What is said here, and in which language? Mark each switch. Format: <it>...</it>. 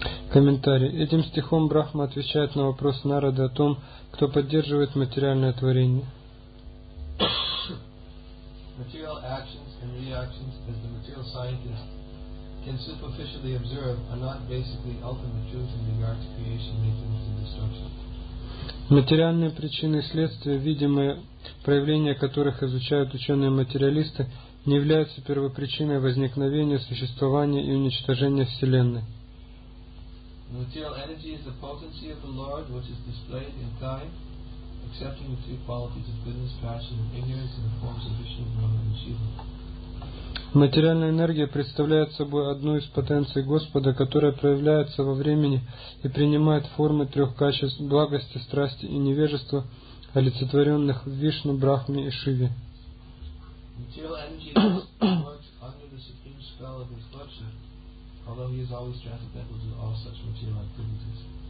<ru>Комментарий. Этим стихом Брахма отвечает на вопрос Нарады о том, кто поддерживает материальное творение.</ru> <en>Material actions and reactions, as the material scientist can superficially observe, are not basically ultimate truths in regard to creation, maintenance, and destruction.</en> <ru>Материальные причины и следствия, видимые проявления которых изучают ученые-материалисты, не являются первопричиной возникновения, существования и уничтожения Вселенной.</ru> <en>Material energy is the potency of the Lord, which is displayed in time. Accepting the three qualities of goodness, passion, and ignorance in the forms of Vishnu, Brahma, and Shiva.</en> <ru>Материальная энергия представляет собой одну из потенций Господа, которая проявляется во времени и принимает формы трех качеств благости, страсти и невежества, олицетворенных в Вишну, Брахме и Шиве.</ru> <en>Material energy works under the supreme spell of his lordship, although he is always transcendental to all such material activities.</en>